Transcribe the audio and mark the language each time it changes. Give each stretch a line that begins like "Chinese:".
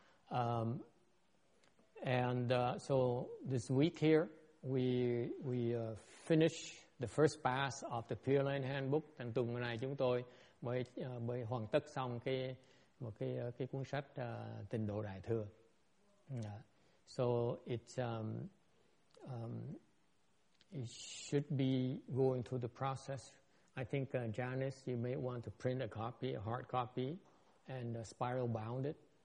English: So this week here we finish the first pass of the Pure Land Handbook.
Vietnamese: Thành tuần này chúng tôi mới hoàn tất xong cái cuốn sách tình độ đại thừa.
English: So it should be going through the process. I think Janice, you may want to print a copy, a hard copy, and spiral bound it.